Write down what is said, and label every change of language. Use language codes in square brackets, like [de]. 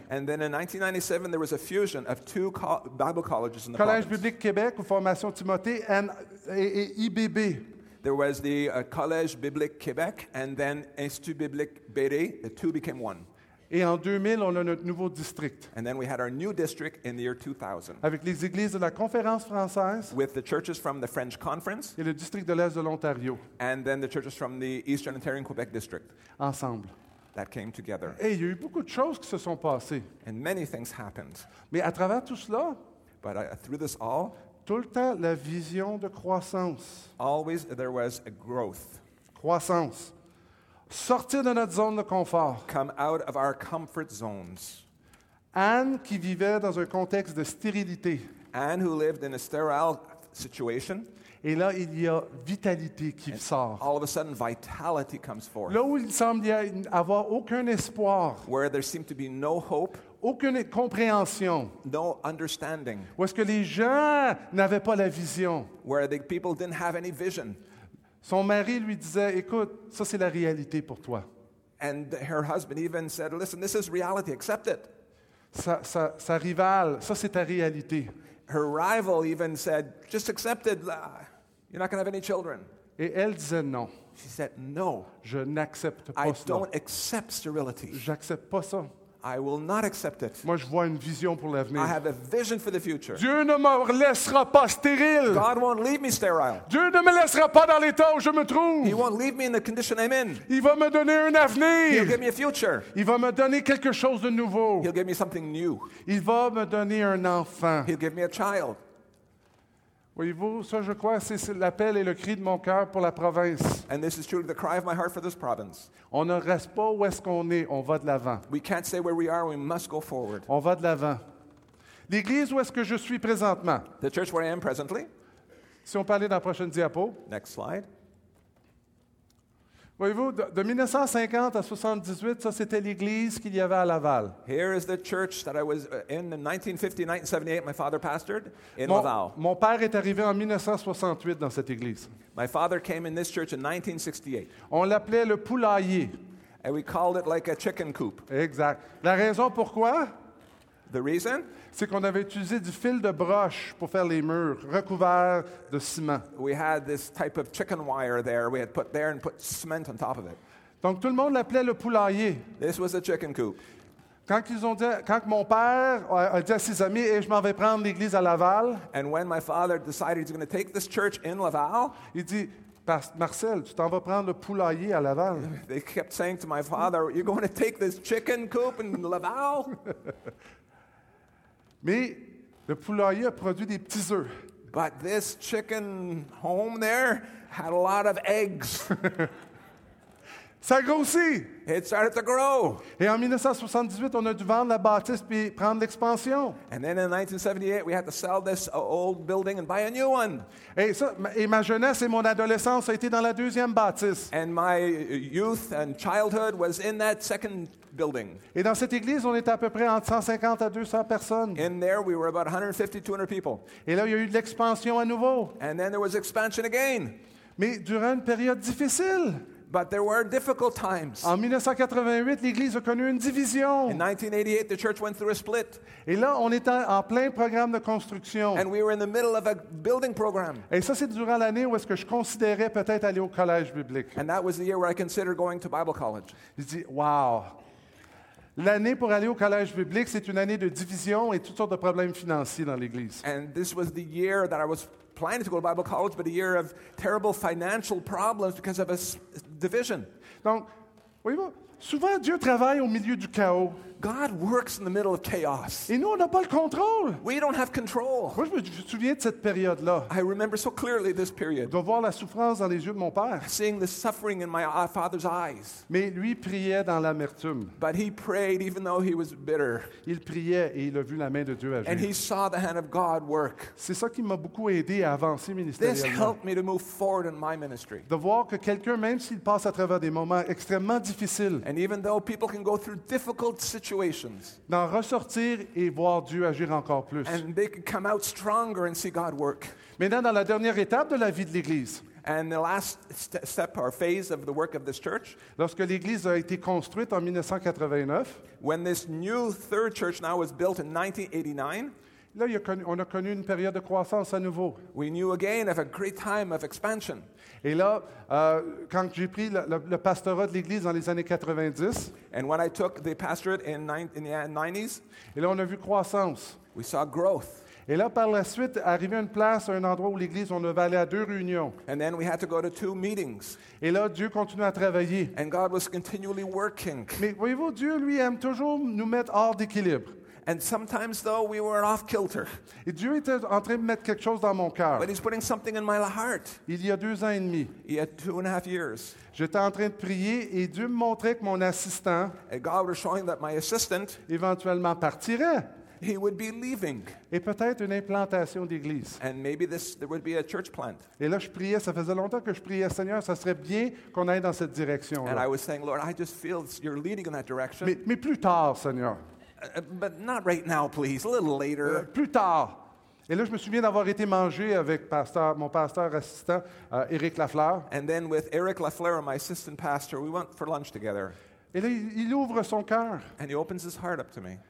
[en] And then in 1997 there was a fusion of two Bible colleges in the [fr] province. Collège biblique Québec ou Formation Timothée et IBB. [en] There was the Collège biblique Québec and then Institut biblique Béret. The two became one. [fr] Et en 2000, on a notre nouveau district. [en] And then we had our new district in the year 2000. [fr] Avec les églises de la Conférence française. [en] With the churches from the French Conference. [fr] Et le district de l'Est de l'Ontario. [en] And then the churches from the Eastern Ontario and Quebec district. [fr] Ensemble. [en] That came together. [fr] Et il y a eu beaucoup de choses qui se sont passées. [en] And many things happened. [fr] Mais à travers tout cela. [en] But through this all. [fr] Tout le temps, la vision de croissance. [en] Always there was a growth. [fr] Croissance. Sortir de notre zone de confort. [en] Come out of our comfort zones. [fr] Anne qui vivait dans un contexte de stérilité. [en] Anne who lived in a sterile situation. [fr] Et là, il y a vitalité qui [en] and [fr] sort. [en] All of a sudden, vitality comes forth. [fr] Là où il semblait avoir aucun espoir. [en] Where there seemed to be no hope. [fr] Aucune compréhension. [en] No understanding. [fr] Où est-ce que les gens n'avaient pas la vision. [en] Where the people didn't have any vision. [fr] Son mari lui disait, écoute, ça c'est la réalité pour toi. [en] And her husband even said, listen, this is reality, accept it. [fr] Sa rivale, ça c'est ta réalité. [en] Her rival even said, just accept it, you're not going to have any children. [fr] Et elle disait non. [en] She said, no. [fr] Je n'accepte pas [en] I [fr] ça. [en] I don't accept sterility. [fr] J'accepte pas ça. [en] I will not accept it. [fr] Moi, je vois une vision pour l'avenir. [en] I have a vision for the future. [fr] Dieu ne me laissera pas stérile. [en] God won't leave me sterile. [fr] Dieu ne me laissera pas dans l'état où je me trouve. [en] He won't leave me in the condition I'm in. [fr] Il va me donner un avenir. [en] He'll give me a future. [fr] Il va me donner quelque chose de nouveau. [en] He'll give me something new. [fr] Il va me donner un enfant. [en] He'll give me a child. [fr] Voyez-vous, ça, je crois, c'est l'appel et le cri de mon cœur pour la province. [en] And this is truly the cry of my heart for this province. [fr] On ne reste pas où est-ce qu'on est, on va de l'avant. [en] We can't stay where we are, we must go forward. [fr] On va de l'avant. L'église où est-ce que je suis présentement? [en] The church where I am presently. [fr] Si on parlait dans la prochaine diapo. [en] Next slide. [fr] Voyez-vous, de 1950 à 78, ça, c'était l'église qu'il y avait à Laval. [en] Here is the church that I was in 1950, 1978, my father pastored in Laval. [fr] Mon père est arrivé en 1968 dans cette église. [en] My father came in this church in 1968. [fr] On l'appelait le poulailler. [en] And we called it like a chicken coop. [fr] Exact. La raison pourquoi? [en] The reason? [fr] C'est qu'on avait utilisé du fil de broche pour faire les murs recouverts de ciment. [en] We had this type of chicken wire there. We had put there and put cement on top of it. [fr] Donc tout le monde l'appelait le poulailler. [en] This was a chicken coop. [fr] Quand ils ont dit, quand mon père a dit à ses amis, et je m'en vais prendre l'église à Laval. [en] And when my father decided he's going to take this church in Laval. [fr] Il dit, Marcel, tu t'en vas prendre le poulailler à Laval. [en] They kept saying to my father, you're going to take this chicken coop in Laval. [fr] Mais le poulailler a produit des petits œufs. [en] But this chicken home there had a lot of eggs. [fr] Ça grossit. [en] It started to grow. [fr] Et en 1978, on a dû vendre la bâtisse puis prendre l'expansion. [en] And then in 1978, we had to sell this old building and buy a new one. [fr] Et ça, et ma jeunesse et mon adolescence a été dans la deuxième bâtisse. [en] And my youth and childhood was in that second building. [fr] Et dans cette église, on était à peu près entre 150 à 200 personnes. [en] In there, we were about 150-200 people. [fr] Et là, il y a eu de l'expansion à nouveau. [en] And then there was expansion again. [fr] Mais durant une période difficile. [en] But there were difficult times. [fr] En 1988, l'église a connu une division. [en] In 1988, the church went through a split. [fr] Et là, on était en plein programme de construction. [en] And we were in the middle of a building program. [fr] Et ça, c'est durant l'année où est-ce que je considérais peut-être aller au collège biblique. [en] And that was the year where I considered going to Bible college. [fr] Je dis, wow. L'année pour aller au collège biblique, c'est une année de division et toutes sortes de problèmes financiers dans l'église. [en] And this was the year that I was planning to go to Bible college, but a year of terrible financial problems because of a division. [fr] Donc, voyez-vous, souvent Dieu travaille au milieu du chaos. [en] God works in the middle of chaos. [fr] Et nous, on n'a pas le contrôle. [en] We don't have control. [fr] Moi, je me souviens de cette période-là. [en] I remember so clearly this period. [fr] De voir la souffrance dans les yeux de mon père. [en] Seeing the suffering in my father's eyes. [fr] Mais lui priait dans l'amertume. [en] But he prayed even though he was bitter. [fr] Il priait et il a vu la main de Dieu agir. [en] And he saw the hand of God work. [fr] C'est ça qui m'a beaucoup aidé à avancer ministériellement. [en] This helped me to move forward in my ministry. [fr] De voir que quelqu'un, même s'il passe à travers des moments extrêmement difficiles. [en] And even though people can go through difficult situations. [fr] D'en ressortir et voir Dieu agir encore plus. [en] And they can come out stronger and see God work. [fr] Maintenant, dans la dernière étape de la vie de l'Église. [en] And the last step or phase of the work of this church. [fr] Lorsque l'Église a été construite en 1989. [en] When this new third church now was built in 1989. [fr] Là, on a connu une période de croissance à nouveau. [en] We knew again of a great time of expansion. [fr] Et là, quand j'ai pris le pastorat de l'église dans les années 90, [en] and when I took the pastorate in the 90s, [fr] et là, on a vu croissance. [en] We saw growth. [fr] Et là, par la suite, arrivé à une place, à un endroit où l'église, on devait aller à deux réunions. [en] And then we had to go to two meetings. [fr] Et là, Dieu continuait à travailler. [en] And God was continually working. [fr] Mais voyez-vous, Dieu, lui, aime toujours nous mettre hors d'équilibre. [en] And sometimes, though, we were off kilter. [fr] Et Dieu était en train de mettre quelque chose dans mon cœur. [en] But he's putting something in my heart. [fr] Il y a deux ans et demi. [en] He had 2.5 years. [fr] J'étais en train de prier et Dieu me montrait que mon assistant. [en] And God was showing that my assistant. [fr] Éventuellement partirait. [en] He would be leaving. [fr] Et peut-être une implantation d'église. [en] And maybe there would be a church plant. [fr] Et là, je priais. Ça faisait longtemps que je priais, Seigneur. Ça serait bien qu'on aille dans cette direction. [en] And I was saying, Lord, I just feel you're leading in that direction. [fr] Mais plus tard, Seigneur. [en] But not right now, please. A little later. [fr] Plus tard. Et là, je me souviens d'avoir été manger avec pasteur, mon pasteur assistant, Eric Lafleur. [en] And then with Eric Lafleur, my assistant pastor, we went for lunch together. [fr] Et là, il ouvre son cœur. [en] And he opens his heart up to me.